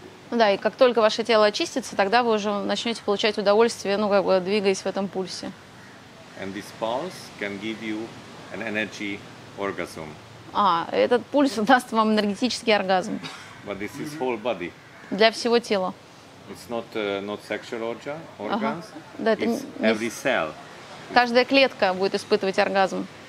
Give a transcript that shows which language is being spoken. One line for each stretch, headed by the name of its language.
Russian: Да, и как только ваше тело очистится, тогда вы уже начнете получать удовольствие, ну, как бы двигаясь в этом пульсе.
English: And this pulse can give you an energy orgasm.
Russian: Этот пульс даст вам энергетический оргазм.
English: But this is whole body.
Russian: Для всего тела.
English: It's not not sexual organs.
Russian: Да,
English: it's every cell.
Russian: Каждая клетка будет испытывать оргазм.